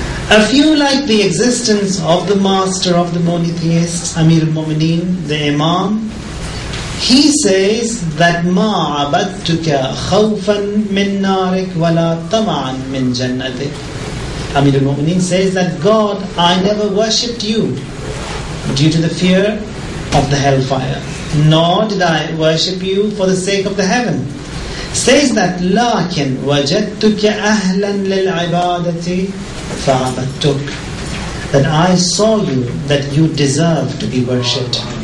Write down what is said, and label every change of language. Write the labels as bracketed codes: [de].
[en] A few like the existence of the master of the monotheists, Amir al-Mu'mineen, the Imam, he says that مَا عَبَدْتُكَ خَوْفًا مِنْ نَارِكْ وَلَا طَمَعًا مِنْ جَنَّتِكْ. Amir al-Mu'mineen says that, God, I never worshipped you due to the fear of the hellfire, nor did I worship you for the sake of the heaven. [ar] Says that, لَكِنْ وَجَدْتُكَ أَهْلًا لِلْعِبَادَةِ فَعَبَدْتُكَ. [en] That I saw you, that you deserve to be worshipped.